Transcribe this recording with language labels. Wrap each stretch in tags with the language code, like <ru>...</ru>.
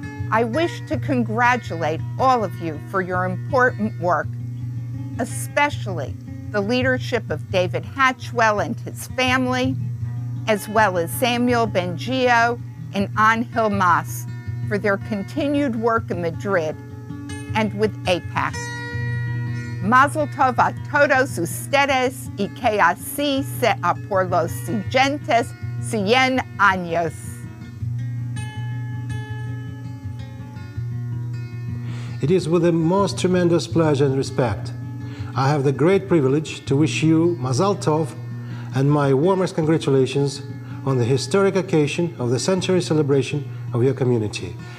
<en>I wish to congratulate all of you for your important work, especially the leadership of David Hatchwell and his family, as well as Samuel Bengio and Angel Mas, for their continued work in Madrid and with APAC.</en> <es>Mazel tov a todos ustedes y que así sea por los siguientes 100 años.</es> <en>It is with the most tremendous pleasure and respect I have the great privilege to wish you Mazel tov and my warmest congratulations on the historic occasion of the century celebration of your community.</en>